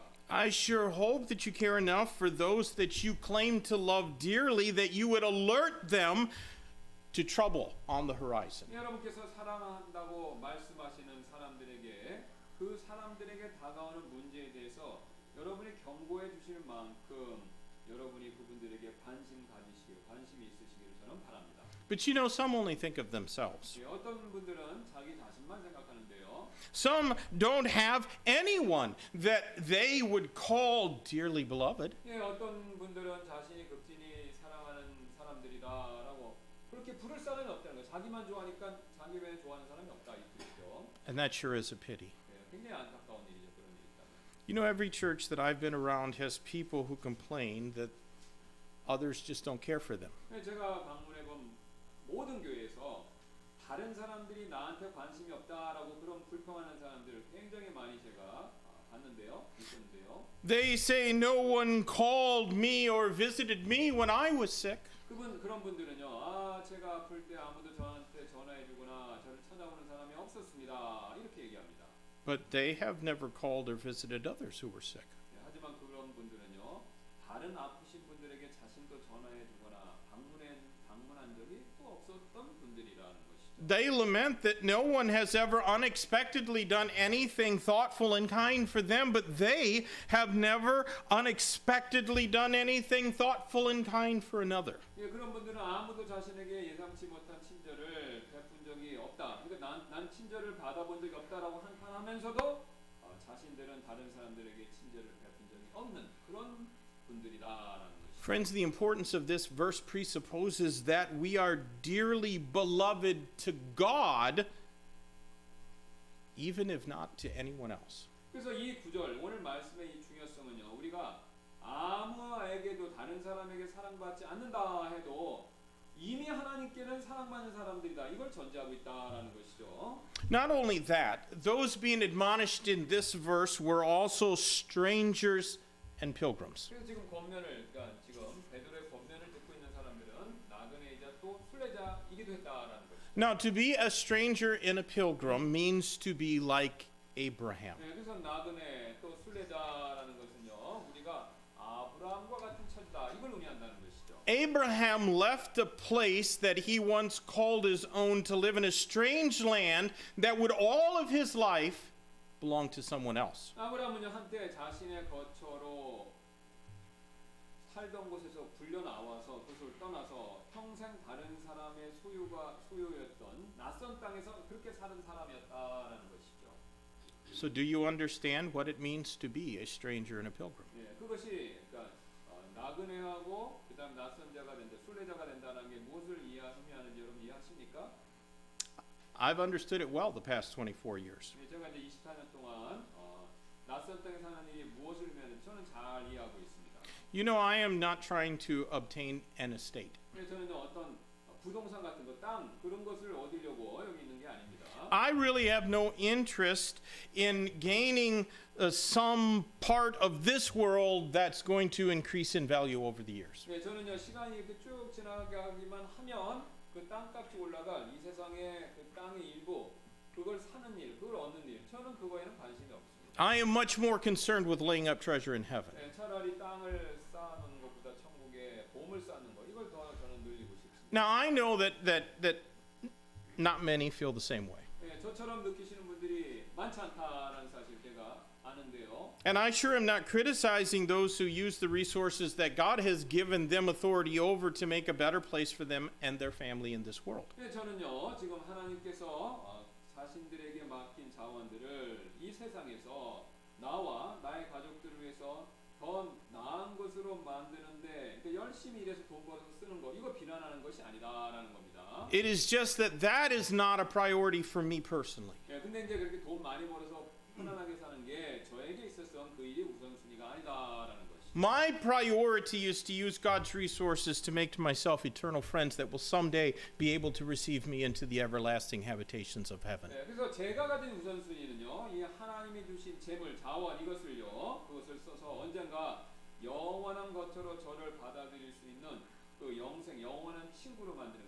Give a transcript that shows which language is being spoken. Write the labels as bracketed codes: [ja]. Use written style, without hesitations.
[en] I sure hope that you care enough for those that you claim to love dearly that you would alert them to trouble on the horizon. [ko] 여러분께서 사랑한다고 말씀하시는 사람들에게 그 사람들에게 다가오는 문제에 대해서 여러분이 경고해 주실 만큼 여러분이 그분들에게 관심 가지시기 관심이 있으시기를 저는 바랍니다. [en] But you know, some only think of themselves. [ko] 어떤 분들은 자기 자신만 생각하는데요. [en] Some don't have anyone that they would call dearly beloved. [ko] 예, 어떤 분들은 자신이 극진히 사랑하는 사람들이다라고 그렇게 부를 사람은 없다는 거예요. 자기만 좋아하니까 자기 외에 좋아하는 사람이 없다 이 뜻이죠. [en] And that sure is a pity. [ko] 예, 굉장히 안타까운 일이죠, 그런 일이 있다면. [en] You know, every church that I've been around has people who complain that others just don't care for them. [ko] 예, 제가 방문해 본 모든 교회에서 다른 사람들이 나한테 관심이 없다라고 그런 불평하는 사람들을 굉장히 많이 제가 봤는데요. [en] They say no one called me or visited me when I was sick. [ko] 그런 분들은요. 아, 제가 아플 때 아무도 저한테 전화해 주거나 저를 찾아오는 사람이 없었습니다. 이렇게 얘기합니다. [en] But they have never called or visited others who were sick. [ko] 네, 하지만 그런 분들은요. 다른 아프신 분들에게 자신도 전화해 주거나 방문한 적이 또 없었던 분들이라는 것이죠. [en] They lament that no one has ever unexpectedly done anything thoughtful and kind for them, but they have never unexpectedly done anything thoughtful and kind for another. [ko] 예, 그런 분들은 아무도 자신에게 예상치 못한 친절을 베푼 적이 없다. 그러니까 난 친절을 받아본 적이 없다라고 한탄하면서도 자신들은 다른 사람들에게 친절을 베푼 적이 없는 그런 분들이다라는 것이죠. [en] Friends, the importance of this verse presupposes that we are dearly beloved to God, even if not to anyone else. [ko] 그래서 이 구절 오늘 말씀의 이 중요성은요, 우리가 아무에게도 다른 사람에게 사랑받지 않는다 해도 이미 하나님께는 사랑받는 사람들이다 이걸 전제하고 있다라는 것이죠. [en] Not only that, those being admonished in this verse were also strangers and pilgrims. [ko] 그래서 지금 권면을 그러니까 지금 베드로의 권면을 듣고 있는 사람들은 나그네이자 또 순례자이기도 했다라는 것이죠. [en] Now to be a stranger and a pilgrim means to be like Abraham. [ko] 네, 그래서 나그네 또 순례자라는 것은요 우리가 아브라함과 같은 처지다 이걸 의미한다는 것이죠. [en] Abraham left a place that he once called his own to live in a strange land that would all of his life belong to someone else. [ko] 아브라함은요 한때 자신의 거처로 살던 곳에서 불려 나와서 그곳을 떠나서 평생 다른 사람의 소유가 소유였던 낯선 땅에서 그렇게 사는 사람이었다라는 것이죠. [en] So do you understand what it means to be a stranger and a pilgrim? [ko] 예, 그것이 그러니까 나그네하고 그다음 낯선 자가 된다, 순례자가 된다는 게 무엇을 의미하는지 여러분 이해하십니까? [en] I've understood it well the past 24 years. [ko] 예, 제가 이제 24년 동안 낯선 땅에 사는 일이 무엇을 의미하는지 저는 잘 이해하고 있습니다. [en] You know, I am not trying to obtain an estate. [ko] 예, 저는 어떤 부동산 같은 거, 땅 그런 것을 얻으려고 여기 있는 게 아닙니다. [en] I really have no interest in gaining some part of this world that's going to increase in value over the years. [ko] 예, 저는요 시간이 이렇게 쭉 지나가기만 하면 그 땅값이 올라갈 이 세상의 그 땅의 일부 그걸 사는 일, 그걸 얻는 일 저는 그거에는 관심이 없습니다. [en] I am much more concerned with laying up treasure in heaven. [ko] 예, 차라리 땅을 쌓는 것보다 천국에 보물 쌓는 거 이걸 더 저는 늘리고 싶습니다. [en] Now I know that not many feel the same way. [ko] 저처럼 느끼시는 분들이 많지 않다라는 사실 제가 아는데요. [en] And I sure am not criticizing those who use the resources that God has given them authority over to make a better place for them and their family in this world. [ko] 네, 저는요, 지금 하나님께서 자신들에게 맡긴 자원들을 이 세상에서 나와 나의 가족들을 위해서 더 나은 것으로 만드는데 그러니까 열심히 일해서 돈 벌어서 쓰는 거 이거 비난하는 것이 아니다라는 겁니다. [en] It is just that that is not a priority for me personally. [ko] 네, 근데 이제 그렇게 돈 많이 벌어서 편안하게 사는 게 저에게 있어서는 그 일이 우선순위가 아니다라는 것이. [en] My priority is to use God's resources to make to myself eternal friends that will someday be able to receive me into the everlasting habitations of heaven. [ko] 네, 그래서 제가 가진 우선순위는요, 이 하나님이 주신 재물, 자원 이것을요, 그것을 써서 언젠가 영원한 것으로 저를 받아들일 수 있는 그 영생, 영원한 친구로 만드는.